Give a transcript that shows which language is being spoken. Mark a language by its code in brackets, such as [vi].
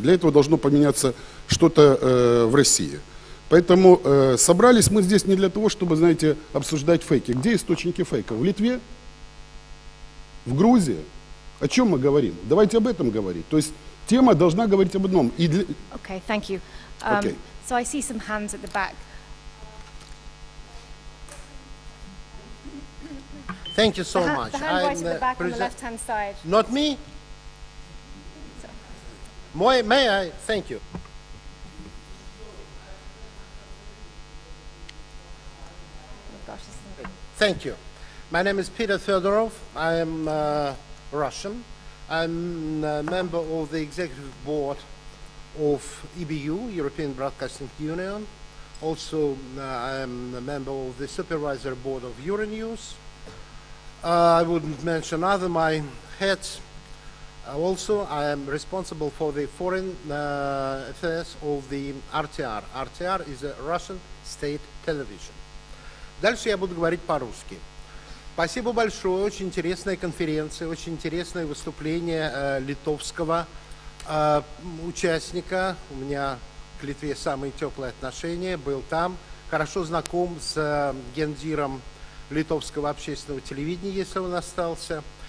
[ru] Для этого должно поменяться что-то в России. Поэтому собрались мы здесь не для того, чтобы, знаете, обсуждать фейки. Где источники фейка? В Литве? В Грузии? О чем мы говорим? Давайте об этом говорить. То есть тема должна говорить об одном. [en] Okay, thank you. Okay. So I see some hands at the back. Thank you so much. The hand right at the back on the left-hand side. Not me? May I? Thank you. Thank you. My name is Peter Fyodorov. I am Russian. I'm a member of the executive board of EBU, European Broadcasting Union. Also, I am a member of the supervisory board of Euronews. I wouldn't mention other my heads. Also, I am responsible for the foreign affairs of the RTR. RTR is a Russian state television. [ru] Дальше я буду говорить по-русски. Спасибо большое, очень интересная конференция, очень интересное выступление литовского участника. У меня к Литве самые теплые отношения, был там, хорошо знаком с гендиром литовского общественного телевидения, если он остался.